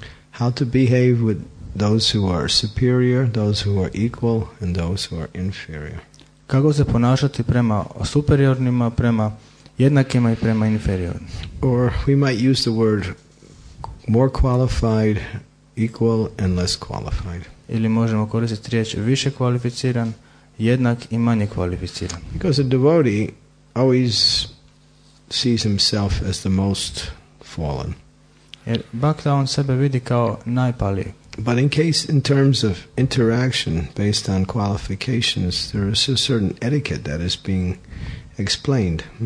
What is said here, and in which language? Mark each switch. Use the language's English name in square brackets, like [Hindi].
[English] How to behave with those who are superior, those who are equal, and those who are inferior. [Bosnian] Kako se ponašati prema superiornima, prema jednakima i prema inferiornim. [English] Or we might use the word more qualified, equal and less qualified. [Bosnian] Ili možemo koristiti riječ više kvalificiran, jednak i manje kvalificiran. [English] Because a devotee always sees himself as the most fallen. [Bosnian] Jer bhakta on sebe vidi kao najpaliji. [English] But in case in terms of interaction based on qualifications, there is a certain etiquette that is being explained.